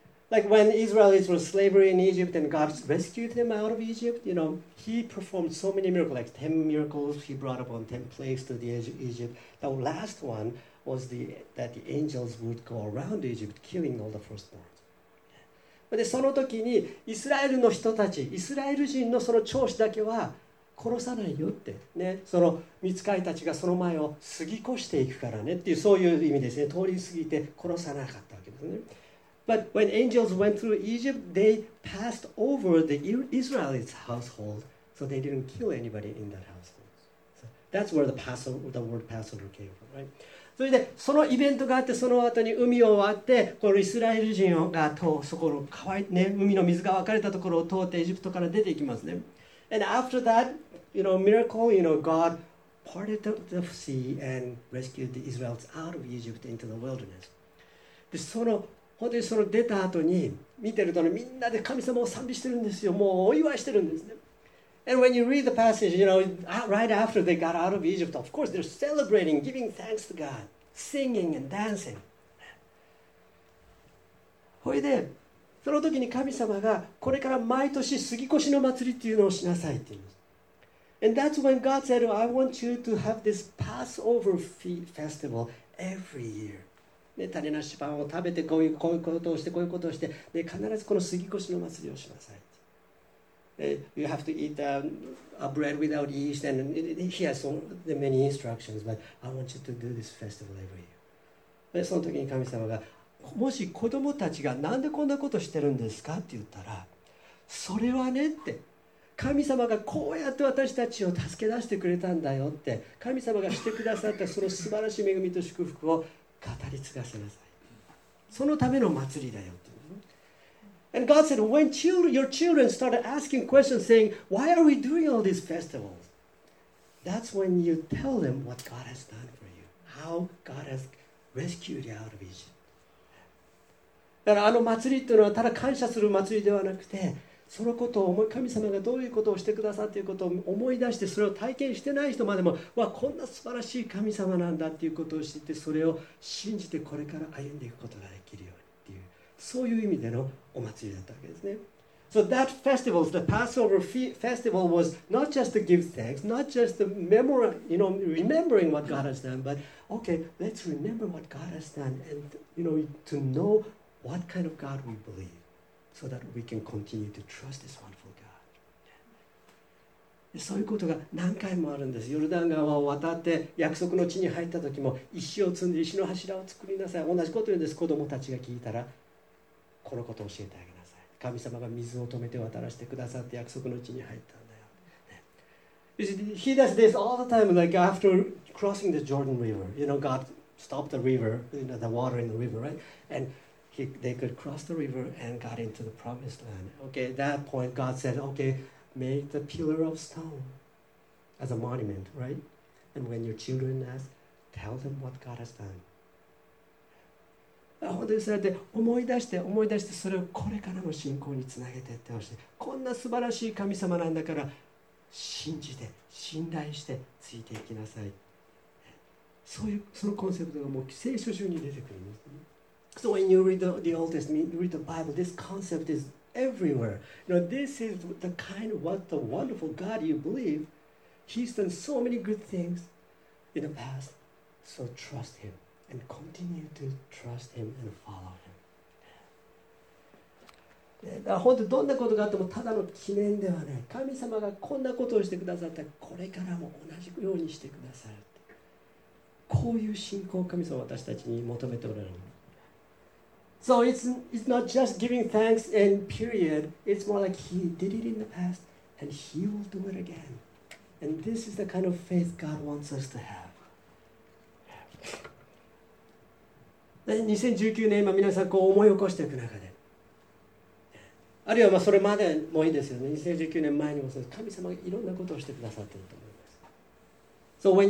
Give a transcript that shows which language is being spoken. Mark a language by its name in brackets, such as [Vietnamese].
[English] Like when Israelites were slavery in Egypt and God rescued them out of Egypt, you know, He performed so many miracles, like 10 miracles He brought upon 10 plagues to the Egypt. The last one was that the angels would go around Egypt killing all the firstborn. [Japanese] でその時にイスラエルの人たち、イスラエル人のその長子だけは殺さないよって、ね、その御使いたちがその前を過ぎ越していくからねっていうそういう意味ですね。通り過ぎて殺さなかったわけですね。 [English] But when angels went through Egypt, they passed over the Israelites' household, so they didn't kill anybody in that household.、So、that's where the word Passover came from, right? [Japanese] それでそのイベントがあってその後に海を割ってこのイスラエル人がとそこの川、ね、海の水が分かれたところを通ってエジプトから出ていきますね。 [English] And after that, you know, miracle, you know, God parted the sea and rescued the Israelites out of Egypt into the wilderness. [Japanese] で、その本当にその出た後に見てるとね、みんなで神様を賛美してるんですよ。もうお祝いしてるんですね。 [English] And when you read the passage, you know, right after they got out of Egypt, of course they're celebrating, giving thanks to God, singing and dancing. [Japanese] ほいで、その時に神様がこれから毎年杉越の祭りっていうのをしなさいって言います。 [English] And that's when God said, I want you to have this Passover festival every year. [Japanese] ね、種なしパンを食べてこういうことをしてこういうことをして、で必ずこの杉越の祭りをしなさい。 [English] You have to eat a bread without yeast, and he has so many instructions, but I want you to do this festival every year. [Japanese] でその時に神様が、もし子供たちがなんでこんなことしてるんですかって言ったら、それはねって、神様がこうやって私たちを助け出してくれたんだよって、神様がしてくださったその素晴らしい恵みと祝福を語り継がせなさい。そのための祭りだよって。 [English] And God said, when your children started asking questions, saying, why are we doing all these festivals? That's when you tell them what God has done for you, how God has rescued you out of Egypt. [Japanese] だからあの祭りっていうのはただ感謝する祭りではなくて、そのことを思い、神様がどういうことをしてくださっていうことを思い出して、それを体験してない人までも、わ、こんな素晴らしい神様なんだっていうことを知って、それを信じてこれから歩んでいくことができるようにっていう、そういう意味でのお祭りだったわけですね。 [English] So that festival, the Passover festival, was not just to give thanks, not just to remembering what God has done, but okay, let's remember what God has done and to know what kind of God we believe. So that we can continue to trust this wonderful God. [Japanese] そういうことが何回もあるんです。ヨルダン川を渡って約束の地に入った時も、石を積んで石の柱を作りなさい。同じこと言うんです。子供たちが聞いたら、このことを教えてあげなさい。神様が水を止めて渡らせてくださって約束の地に入ったんだよ。 [English] He does this all the time, like after crossing the Jordan River. You know, God stopped the river, the water in the river, right? Andthey could cross the river and got into the promised land. Okay, at that point, God said, okay, make the pillar of stone as a monument, right? And when your children ask, tell them what God has done. [Japanese] 本当にそうやって思い出してそれをこれからの信仰につなげていってほしい。こんな素晴らしい神様なんだから信じて、信頼してついていきなさい。そういう、そのコンセプトがもう聖書中に出てくるんですね。 [English] So when you read the Old Testament, you read the Bible, this concept is everywhere. You know, this is the kind of what the wonderful God you believe. He's done so many good things in the past. So trust Him and continue to trust Him and follow Him. [Japanese] だから本当どんなことがあってもただの記念ではない。神様がこんなことをしてくださったら、これからも同じようにしてくださるって。こういう信仰を神様は私たちに求めておられる。 [English] So it's not just giving thanks and period. It's more like he did it in the past and he will do it again. And this is the kind of faith God wants us to have. [Japanese] で、2019年、今皆さんこう思い起こしていく中で、あるいはまあそれまでもいいですよね。 2019年前にもそうです。神様がいろんなことをしてくださっていると思います。